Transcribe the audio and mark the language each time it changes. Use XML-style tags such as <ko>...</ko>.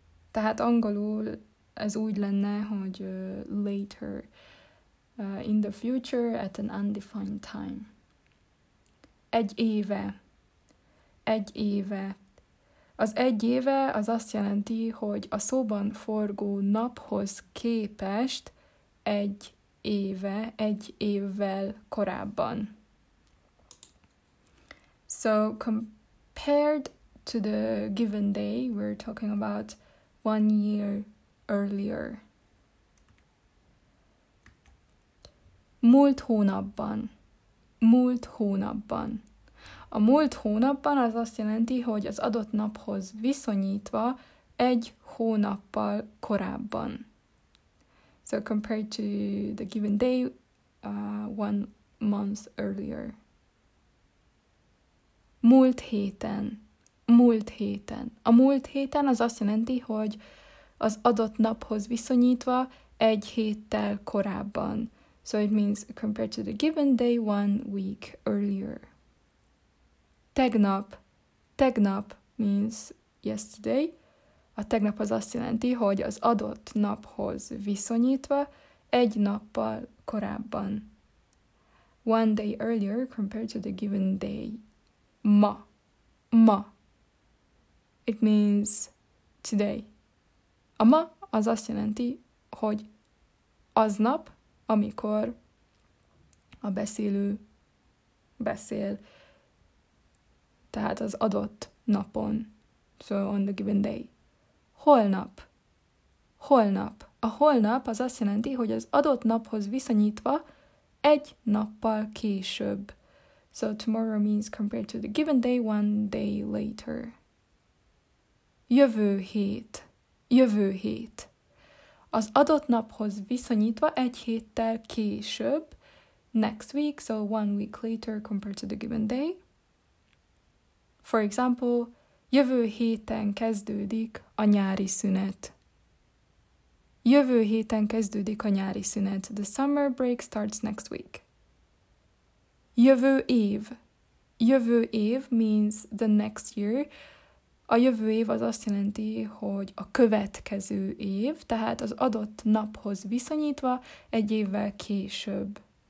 <hu>Tehát angolul ez úgy lenne, hogy</hu> <en>later, in the future, at an undefined time.</en> <hu>Egy éve. Egy éve. Az egy éve az azt jelenti, hogy a szóban forgó naphoz képest egy éve, egy évvel korábban.</hu> <en>So, compared to the given day, we're talking about 1 year earlier.</en> <hu>Múlt hónapban. Múlt hónapban. A múlt hónapban az azt jelenti, hogy az adott naphoz viszonyítva egy hónappal korábban.</hu> <en>So compared to the given day, 1 month earlier.</en> <hu>Múlt héten. Múlt héten. A múlt héten az azt jelenti, hogy az adott naphoz viszonyítva egy héttel korábban.</hu> <en>So it means compared to the given day, 1 week earlier.</en> <hu>Tegnap. Tegnap</hu> <en>means yesterday.</en> <hu>A tegnap az azt jelenti, hogy az adott naphoz viszonyítva egy nappal korábban.</hu> <en>1 day earlier compared to the given day.</en> <hu>Ma. Ma.</hu> <en>It means today.</en> <hu>A ma az azt jelenti, hogy aznap, amikor a beszélő beszél. Tehát az adott napon.</hu> <en>So on the given day.</en> <hu>Holnap. Holnap. A holnap az azt jelenti, hogy az adott naphoz viszonyítva egy nappal később.</hu> <en>So tomorrow means compared to the given day, 1 day later.</en> <hu>Jövő hét. Jövő hét. Az adott naphoz viszonyítva egy héttel később.</hu> <en>Next week, so 1 week later compared to the given day. For example,</en> <hu>jövő héten kezdődik a nyári szünet. Jövő héten kezdődik a nyári szünet.</hu> <en>The summer break starts next week.</en> <hu>Jövő év. Jövő év</hu> <en>means the next year.</en> <hu>A jövő év az azt jelenti, hogy a következő év, tehát az adott naphoz viszonyítva egy évvel később.</hu>